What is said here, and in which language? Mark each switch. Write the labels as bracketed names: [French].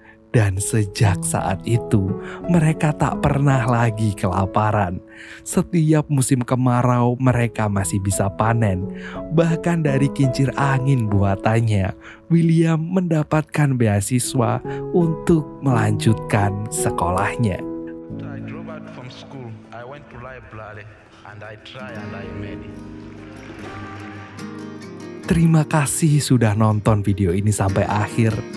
[Indonesian] Dan sejak saat itu, mereka tak pernah lagi kelaparan. Setiap musim kemarau, mereka masih bisa panen. Bahkan dari kincir angin buatannya, William mendapatkan beasiswa untuk melanjutkan sekolahnya. [English] I drop out from school, I went to library, and I try and I made it. [Indonesian] Terima kasih sudah nonton video ini sampai akhir.